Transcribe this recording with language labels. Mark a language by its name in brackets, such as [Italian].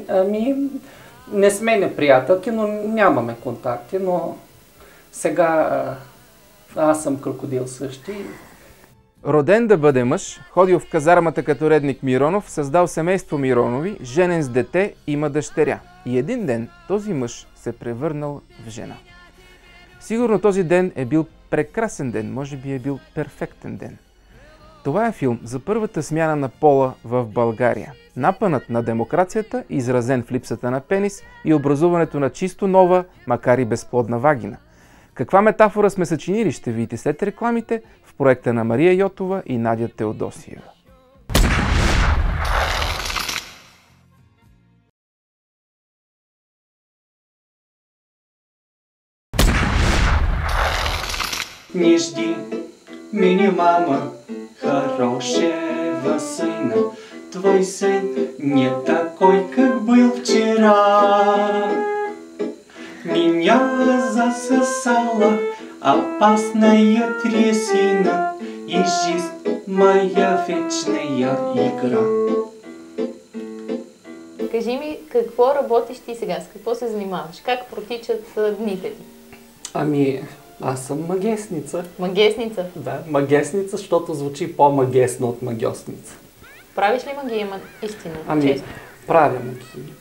[Bulgarian] Ами, не сме неприятелки, но нямаме контакти, но сега аз съм крокодил същи. Роден да бъде мъж, ходил в казармата като редник Миронов, създал семейство Миронови, женен с дете, има дъщеря. И един ден този мъж се превърнал в жена. Сигурно този ден е бил прекрасен ден, може би е бил перфектен ден. Това е филм за първата смяна на пола в България. Напънът на демокрацията, изразен в липсата на пенис и образуването на чисто нова, макар и безплодна вагина. Каква метафора сме съчинили, ще видите след рекламите в проекта на Мария Йотова и Надя Теодосиева. [Russian] Не жди, мини мама, хорошего сына. Твой сын не такой, как был вчера. Меня засосала опасная трясина, и жизнь моя вечная игра. [Bulgarian] Кажи ми, какво работиш ти сега? С какво се занимаваш? Как протичат дните ти? Ами, аз съм магесница. Магесница? Да, магесница, защото звучи по-магесно от магиосница. Правиш ли магия, истина? Ами, честно? Правя магии.